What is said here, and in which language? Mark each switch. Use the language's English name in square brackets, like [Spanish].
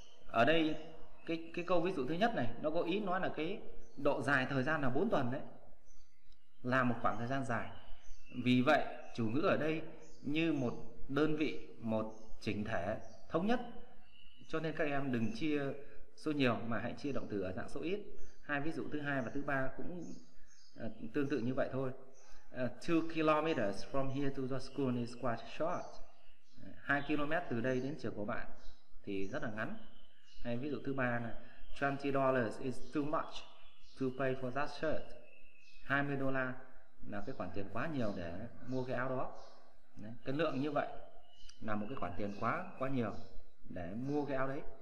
[Vietnamese] Ở đây cái câu ví dụ thứ nhất này nó có ý nói là cái độ dài thời gian là 4 tuần đấy, là một khoảng thời gian dài. Vì vậy chủ ngữ ở đây như một đơn vị, một chỉnh thể thống nhất. Cho nên các em đừng chia số nhiều mà hãy chia động từ ở dạng số ít. Hai ví dụ thứ hai và thứ ba cũng tương tự như vậy thôi. [English] 2 kilometers from here to the school is quite short. [Vietnamese] 2 km từ đây đến trường của bạn thì rất là ngắn. Hay ví dụ thứ ba là [English] $20 is too much to pay for that shirt. [Vietnamese] $20 là cái khoản tiền quá nhiều để mua cái áo đó. Đấy, cái lượng như vậy là một cái khoản tiền quá nhiều để mua cái áo đấy.